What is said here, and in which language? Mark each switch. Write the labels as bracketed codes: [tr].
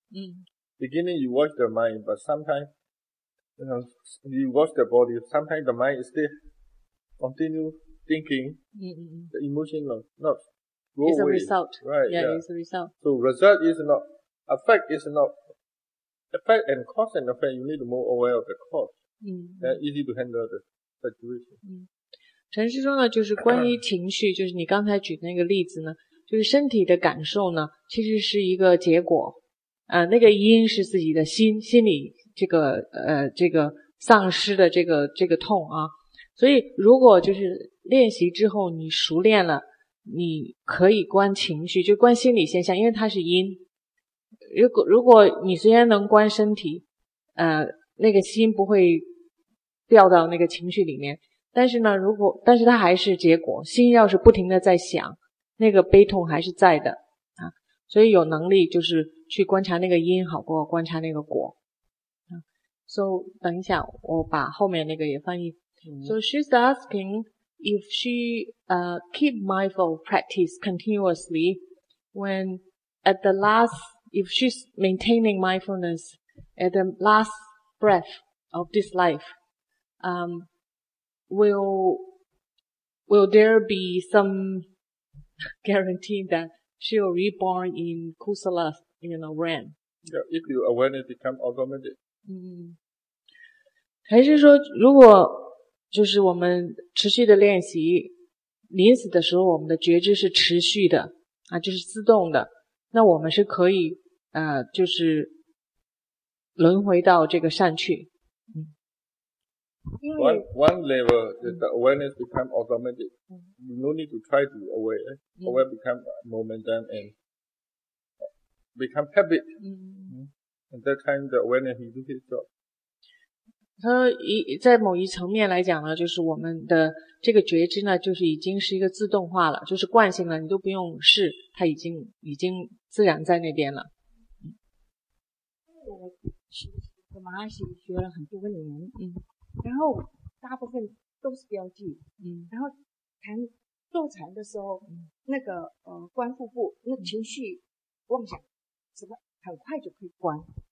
[en] Beginning, you watch the mind, but sometimes, you watch the body, sometimes the mind is still continue thinking, the emotion not go it's away. It's a result. Right. Yeah, it's a result. So result is not,Effect is not, effect and cause and effect, you need to be more aware of the cause. That's easy to handle the situation. [zh] 陈师兄呢，就是关于情绪，就是你刚才举的那个例子呢，就是身体的感受呢，其实是一个结果。那个因是自己的心理这个丧失的这个痛啊。所以如果就是练习之后你熟练了，你可以观情绪，就观心理现象，因为它是因。如果你虽然能观身体，那个心不会掉到那个情绪里面，但是它还是结果，心要是不停的在想，那个悲痛还是在的啊，所以有能力就是去观察那个因好过观察那个果啊。 [en] So, [zh] 等一下我把后面那个也翻译。 [en] So she's asking if she, keep mindful practice continuously when at the last,If she's maintaining mindfulness at the last breath of this life, will there be some guarantee that she'll reborn in Kusala, you know, realm? Yeah, if your awareness becomes automatic. [zh] 还是说，如果就是我们持续的练习，临死的时候，我们的觉知是持续的啊，就是自动的，那我们是可以。就是轮回到这个善去。 [en] One level is the awareness become automatic. You no need to try to aware. Aware become momentum and become habit. Mm. And that time the awareness will do his job. [zh] 他在某一层面来讲呢，就是我们的这个觉知呢，就是已经是一个自动化了，就是惯性了，你都不用试，它已经自然在那边了。我其实本来是学了很多年，然后大部分都是标记，然后谈坐禅的时候，那个观腹部，那情绪妄想，什么很快就可以关。